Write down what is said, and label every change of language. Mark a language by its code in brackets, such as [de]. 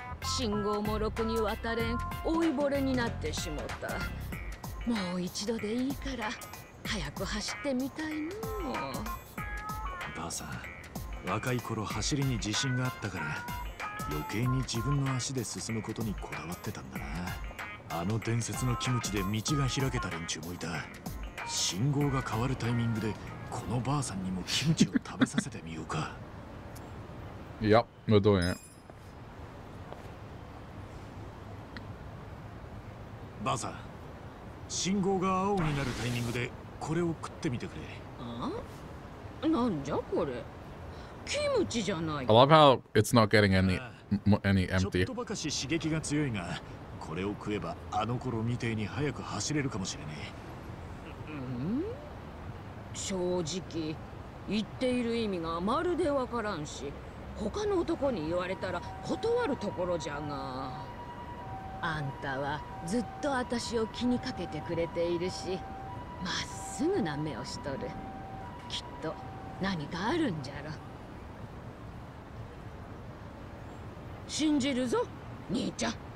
[ja] 信号もろくに渡れん、老いぼれになってしもった。もう一度でいいから早く走ってみたいの。ばあさん、若い頃走りに自信があったから余計に自分の足で進むことにこだわってたんだな。あの伝説のキムチで道が開けた連中もいた。信号が変わるタイミングでこのばあさんにもキムチを食べさせてみようか。 [en] Yep, we're doing it. [ja] ばあさん、信号が青になるタイミングでこれを食ってみてくれ。 [en] I love how it's not getting any empty. [ja] これを食えばあの頃みてえに早く走れるかもしれねえ。正直言っている意味がまるでわからんし、他の男に言われたら断るところじゃが。あんたはずっと私を気にかけてくれているし、まっすぐな目をしとる。きっと何かあるんじゃろ。信じるぞ、兄ちゃん。